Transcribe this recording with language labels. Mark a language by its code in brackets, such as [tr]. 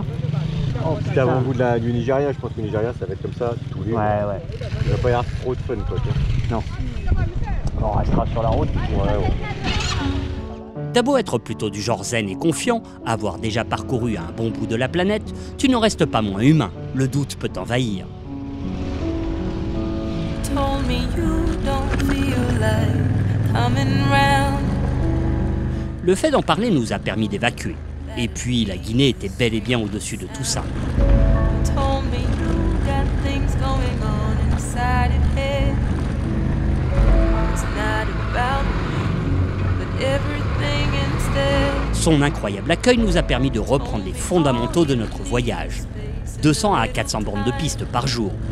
[fr] Hein. Oh, c'est avant vous du Nigeria, je pense que le Nigeria ça va être comme ça tous les jours. Ouais, ouais. Il va pas y avoir trop de fun quoi. T'as. Non. On restera sur la route. Ouais, ouais. T'as beau être plutôt du genre zen et confiant, avoir déjà parcouru un bon bout de la planète, tu n'en restes pas moins humain. Le doute peut t'envahir. [en] Told me you don't feel like coming round. [fr] Le fait d'en parler nous a permis d'évacuer. Et puis, la Guinée était bel et bien au-dessus de tout ça. [en] Told me you got things going on inside your head. It's not about me, but everything instead. [fr] Son incroyable accueil nous a permis de reprendre les fondamentaux de notre voyage. 200 à 400 bornes de piste par jour.